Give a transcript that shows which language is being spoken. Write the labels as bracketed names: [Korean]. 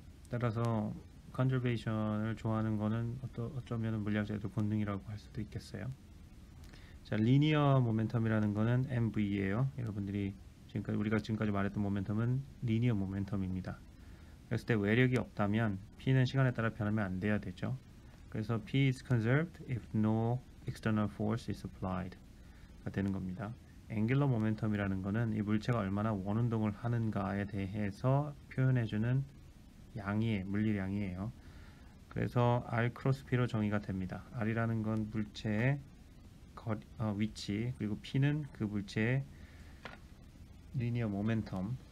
[Korean] 따라서 컨저베이션을 좋아하는 거는 어쩌면 물리학자들도 본능이라고 할 수도 있겠어요. 자, 리니어 모멘텀이라는 거는 MV예요. 여러분들이 지금까지 말했던 모멘텀은 리니어 모멘텀입니다. 그랬을 때 외력이 없다면 P는 시간에 따라 변하면 안 돼야 되죠. 그래서 [English] P is conserved if no external force is applied [Korean] 가 되는 겁니다. 앵귤러 모멘텀이라는 거는 이 물체가 얼마나 원운동을 하는가에 대해서 표현해주는 양이에요. 물리 양이에요. 그래서 R 크로스 P로 정의가 됩니다. R이라는 건 물체의 위치, 그리고 P는 그 물체의 리니어 모멘텀.